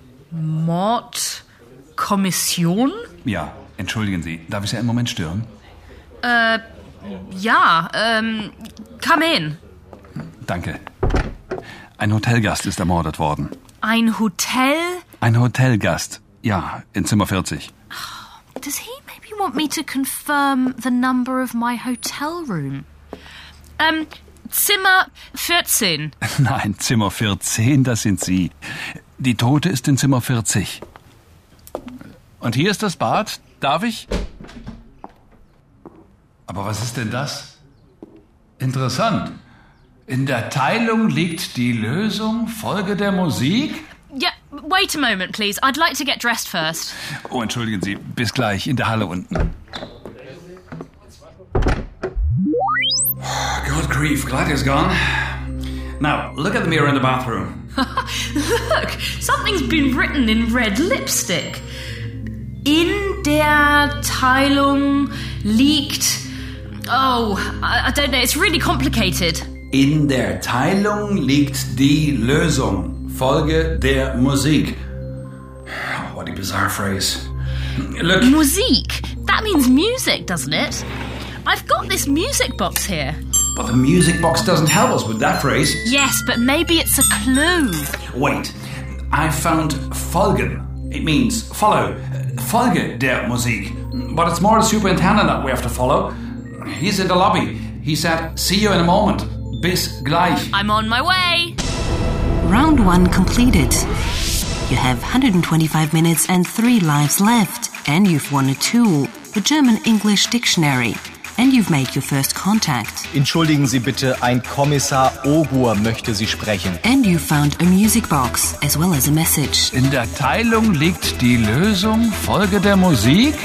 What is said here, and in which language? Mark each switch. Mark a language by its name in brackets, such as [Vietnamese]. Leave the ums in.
[German] Mordkommission? Ja, entschuldigen Sie, darf ich Sie einen Moment stören? Äh, uh, ja, ähm, um, [English] come in. [German] Danke. Ein Hotelgast ist ermordet worden. Ein Hotel? Ein Hotelgast. Ja, in Zimmer 40. [English] Oh, does he maybe want me to confirm the number of my hotel room? [German] Ähm, um, Zimmer 14. Nein, Zimmer 14, das sind Sie. Die Tote ist in Zimmer 40. Und hier ist das Bad. Darf ich? Aber was ist denn das? Interessant. In der Teilung liegt die Lösung. Folge der Musik. [English] Yeah, wait a moment, please. I'd like to get dressed first. [German] Oh, entschuldigen Sie. Bis gleich in der Halle unten. [English] Oh, Good grief, Glad is gone. Now, look at the mirror in the bathroom. look, something's been written in red lipstick. [German] In der Teilung liegt. [English] Oh, I, I don't know. It's really complicated. [German] In der Teilung liegt die Lösung. Folge der Musik. [English] What a bizarre phrase. Look. [German] Musik? [English] That means music, doesn't it? I've got this music box here. But the music box doesn't help us with that phrase. Yes, but maybe it's a clue. Wait, I found Folgen. It means follow. [German] Folge der Musik. [English] But it's more the superintendent that we have to follow. He's in the lobby. He said, see you in a moment. Uh, I'm on my way. Round one completed. You have 125 minutes and three lives left, and you've won a tool, a German English Dictionary, and you've made your first contact. [German] Entschuldigen Sie bitte, ein Kommissar Ogur möchte Sie sprechen. [English] And you found a music box as well as a message. [German] In der Teilung liegt die Lösung, Folge der Musik.